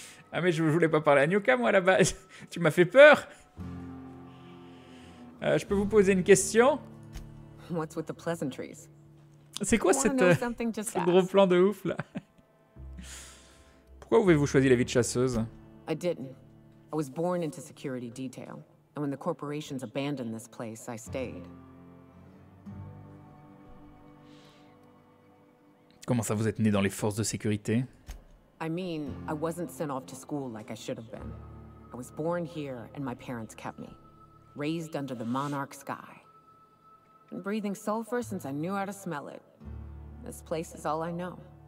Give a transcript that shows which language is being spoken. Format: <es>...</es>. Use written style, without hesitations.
<fr>Ah mais je voulais pas parler à Nyoka moi à la base. Tu m'as fait peur. Je peux vous poser une question?</fr> <en>What's with the pleasantries?</en> <fr>C'est quoi ce gros plan de ouf là? Pourquoi avez-vous choisi la vie de chasseuse?</fr> <en>I didn't. I was born into security detail, and when the corporations abandoned this place, I stayed.</en> <fr>Comment ça vous êtes né dans les forces de sécurité?</fr> <en>I mean, I wasn't sent off to school like I should have been. I was born here, and my parents kept me. Raised under the Monarch sky. Been breathing sulfur since I knew how to smell it. This place is all I know.</en>